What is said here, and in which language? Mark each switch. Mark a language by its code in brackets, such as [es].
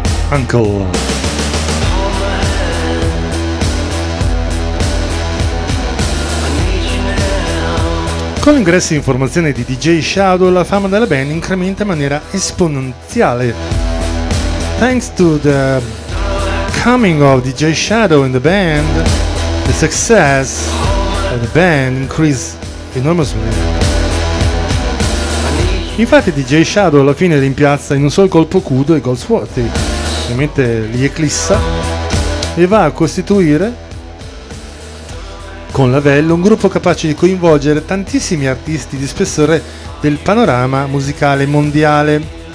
[en] Uncle. [it] Con l'ingresso in formazione di DJ Shadow, la fama della band incrementa in maniera esponenziale. [en] Thanks to the coming of DJ Shadow in the band, the success of the band increased enormously. [it] Infatti DJ Shadow alla fine rimpiazza in un solo colpo Kudo e Goldsworthy, ovviamente li eclissa, e va a costituire con Lavelle un gruppo capace di coinvolgere tantissimi artisti di spessore del panorama musicale mondiale.